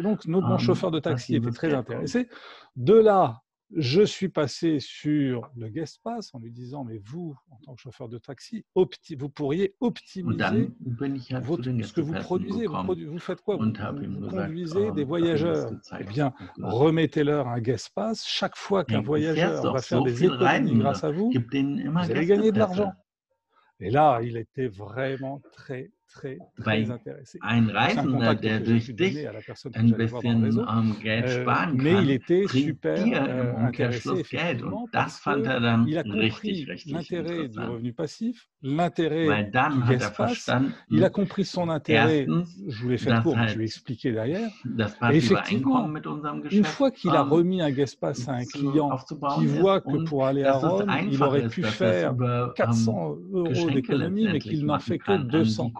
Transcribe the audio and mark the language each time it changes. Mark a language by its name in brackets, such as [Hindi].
[French] Donc, nos bons chauffeurs de taxi étaient très intéressés. De là, je suis passé sur le guest pass en lui disant, mais vous, en tant que chauffeur de taxi, vous pourriez optimiser ce que vous produisez. Vous faites quoi ? Vous conduisez des voyageurs. Eh bien, remettez-leur un guest pass. Chaque fois qu'un voyageur va faire des économies grâce à vous, vous allez gagner de l'argent. Et là, il était vraiment très, très, très intéressé. [German] Un Reisender, der durch dich ein bisschen Geld sparen kann, [French] mais il était super intéressé, Geld. [German] Und das fand er dann richtig, richtig interessant. [French] L'intérêt du revenu passif, l'intérêt du guest pass, il a compris son intérêt, je vous l'ai fait court, je vais expliquer derrière. Effectivement, une fois qu'il a remis un guest pass à un client qui voit que pour aller à Rome, il aurait pu faire 400 euros d'économie, mais qu'il n'a fait que 200.